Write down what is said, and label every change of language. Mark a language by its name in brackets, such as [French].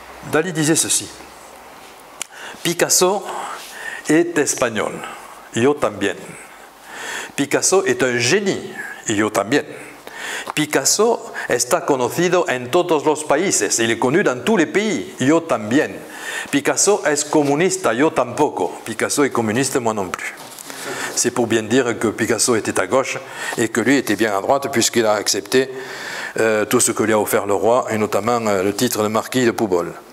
[French] Dali disait ceci, « Picasso est espagnol, [Spanish] yo también. [French] Picasso est un génie, [Spanish] yo también. [French] Picasso [Spanish] está conocido en todos los países. [French] Il est connu dans tous les pays. [Spanish] Yo también. Picasso es comunista. Yo tampoco. [French] Picasso est communiste, moi non plus. C'est pour bien dire que Picasso était à gauche et que lui était bien à droite puisqu'il a accepté tout ce que lui a offert le roi et notamment le titre de marquis de Poubol.